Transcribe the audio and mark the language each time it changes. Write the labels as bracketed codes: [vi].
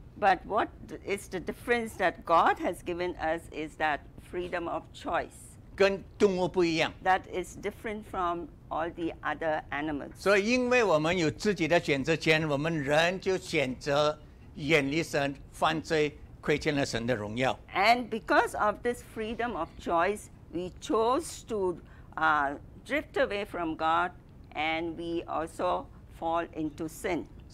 [en] But what is the difference that God has given us is that freedom of choice. [zh] 跟动物不一样。 [en] That is different from all the other animals. [zh] 所以因为我们有自己的选择权，我们人就选择远离神，犯罪，亏欠了神的荣耀。 [en] And because of this freedom of choice, we chose to drift away from God, and we also fall into sin.